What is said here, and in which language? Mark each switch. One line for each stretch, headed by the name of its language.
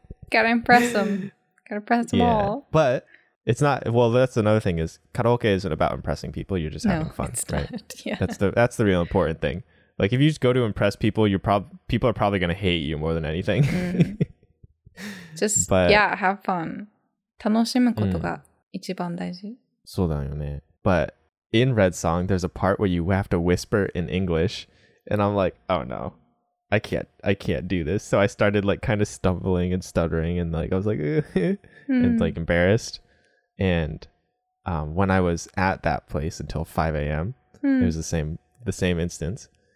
English: Gotta impress them. Gotta impress them all. But it's not, well, that's another thing is karaoke isn't about impressing people. You're just having fun. It's right? Not. Yeah. That's the real important thing. Like if you just go to impress people, people are probably going to hate you more than anything. Just, but, yeah, have fun.
Japanese: 楽しむことが一番大事. そうだよね.
English: But in Red Song, there's a part where you have to whisper in English. And I'm like, oh no, I can't do this. So I started like kind of stumbling and stuttering. And like, I was like, and like embarrassed. And when I was at that place until 5 a.m., it was the same instance.